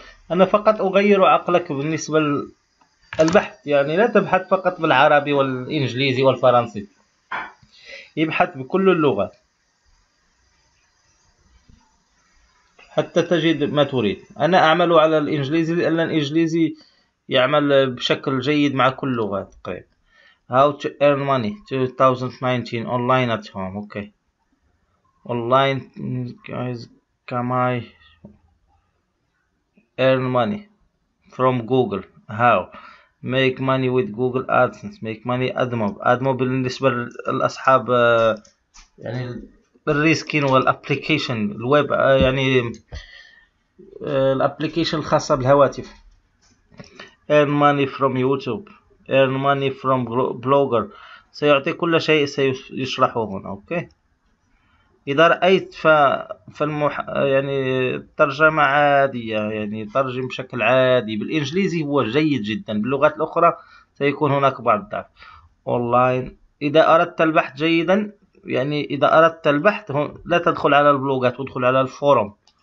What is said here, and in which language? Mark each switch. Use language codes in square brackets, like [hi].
[ar] أنا فقط أغير عقلك بالنسبة للبحث، يعني لا تبحث فقط بالعربي والإنجليزي والفرنسي، يبحث بكل اللغات حتى تجد ما تريد. أنا أعمل على الإنجليزي لأن الإنجليزي يعمل بشكل جيد مع كل اللغات قريب. [en] How to earn money 2019 online at home. Okay. Online guys, can I earn money from Google? How? Make money with Google AdSense. Make money AdMob [ar] بالنسبة للأصحاب يعني الريسكين والابليكيشن الويب، يعني الابليكيشن الخاصة بالهواتف. [en] Earn money from YouTube. Earn money from blogger. [ar] سيعطي كل شيء سيشرحه هنا. اوكي اذا رأيت يعني ترجمة عادية، يعني ترجم بشكل عادي بالانجليزي هو جيد جدا، باللغات الاخرى سيكون هناك بعض الضعف. اونلاين اذا اردت البحث جيدا، يعني اذا اردت البحث لا تدخل على البلوجات، ادخل على الفورم.